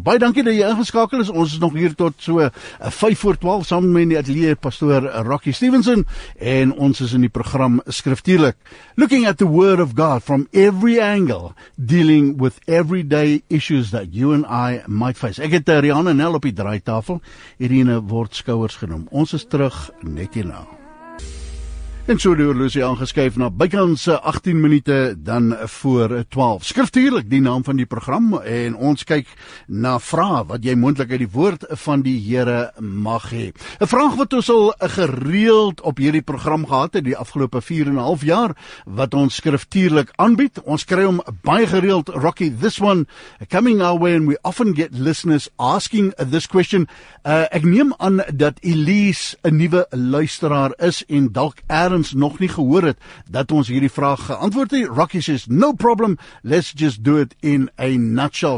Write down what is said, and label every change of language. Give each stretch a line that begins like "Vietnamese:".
Afrikaans: Baie dankie dat jy ingeskakel is. Ons is nog hier tot so 5:45 saam met die atelier pastoor Rocky Stevenson, en ons is in die program Skriftuurlik.
English: Looking at the Word of God from every angle, dealing with everyday issues that you and I might face.
Afrikaans: Ek het Rihanna Nell op die draaitafel, Irene word skouers genoem. Ons is terug net hierna. En so door Lucy aangeskuif na bykans 18 minute dan voor 12. Skriftuurlik, die naam van die program, en ons kyk na vrae wat jy moontlik uit die woord van die Here mag hê. 'N vraag wat ons al gereeld op hierdie program gehad het die afgelope 4.5 jaar wat ons skriftuurlik aanbied. Ons kry hom baie gereeld,
English: Rocky, this one coming our way, and we often get listeners asking this question.
Afrikaans: Ek neem aan dat Elise 'n nuwe luisteraar is en dalk Adams nog nie gehoor het dat ons hierdie vraag geantwoord het.
English: Rocky says, no problem, let's just do it in a nutshell.